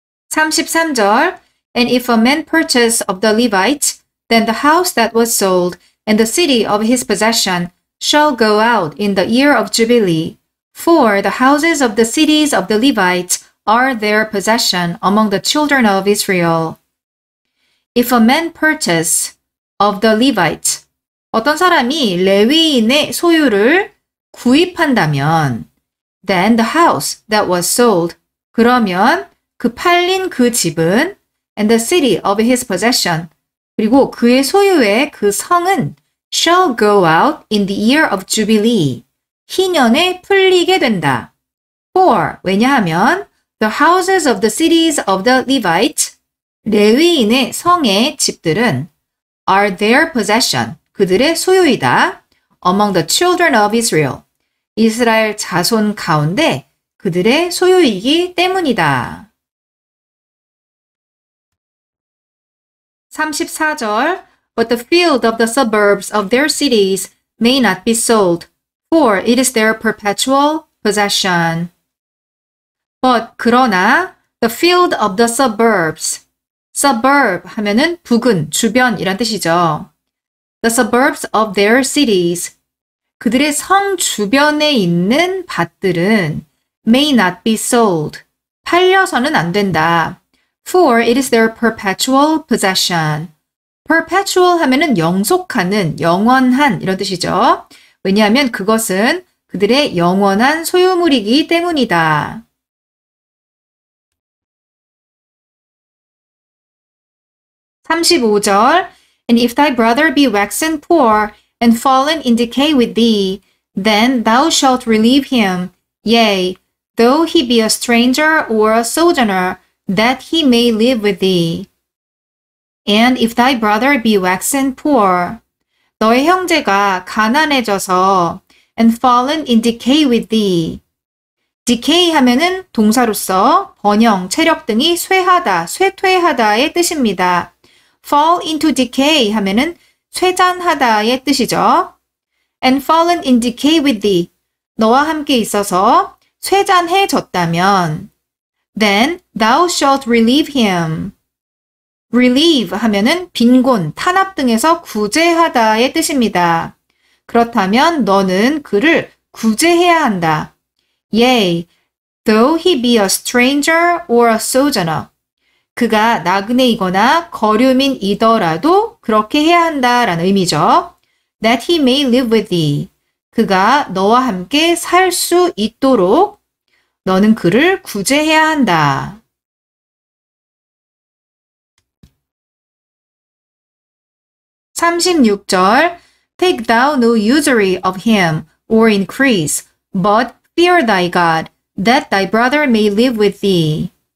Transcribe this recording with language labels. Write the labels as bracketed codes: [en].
[en] 33절 And if a man purchase of the Levites, then the house that was sold and the city of his possession shall go out in the year of Jubilee. For the houses of the cities of the Levites are their possession among the children of Israel. If a man purchase of the Levites, [ko] 어떤 사람이 레위인의 소유를 구입한다면, [en] then the house that was sold, [ko] 그러면 그 팔린 그 집은, [en] and the city of his possession, [ko] 그리고 그의 소유의 그 성은, [en] shall go out in the year of Jubilee, [ko] 희년에 풀리게 된다. [en] For, [ko] 왜냐하면, [en] the houses of the cities of the Levites, [ko] 레위인의 성의 집들은, [en] are their possession, [ko] 그들의 소유이다. [en] Among the children of Israel, [ko] 이스라엘 자손 가운데 그들의 소유이기 때문이다. [en] 34절 But the field of the suburbs of their cities may not be sold, for it is their perpetual possession. But [ko] 그러나 [en] the field of the suburbs, [ko] suburb 하면은 부근, 주변이란 뜻이죠. [en] The suburbs of their cities, [ko] 그들의 성 주변에 있는 밭들은 [en] may not be sold, [ko] 팔려서는 안 된다. [en] For it is their perpetual possession. [ko] Perpetual 하면은 영속하는, 영원한 이런 뜻이죠. 왜냐하면 그것은 그들의 영원한 소유물이기 때문이다. [en] 35절 And if thy brother be waxen poor and fallen in decay with thee, then thou shalt relieve him. Yea, though he be a stranger or a sojourner, that he may live with thee. And if thy brother be waxen poor, [ko] 너의 형제가 가난해져서 [en] and fallen in decay with thee. [ko] Decay 하면은 동사로서 번영, 체력 등이 쇠하다, 쇠퇴하다의 뜻입니다. [en] Fall into decay [ko] 하면은 쇠잔하다의 뜻이죠. [en] And fallen in decay with thee. [ko] 너와 함께 있어서 쇠잔해졌다면 [en] Then thou shalt relieve him. [ko] Relieve 하면은 빈곤, 탄압 등에서 구제하다의 뜻입니다. 그렇다면 너는 그를 구제해야 한다. [en] Yea, though he be a stranger or a sojourner. [ko] 그가 나그네이거나 거류민이더라도 그렇게 해야 한다라는 의미죠. [en] That he may live with thee. [ko] 그가 너와 함께 살 수 있도록 너는 그를 구제해야 한다. [en] 36절 Take thou no usury of him or increase, but fear thy God, that thy brother may live with thee.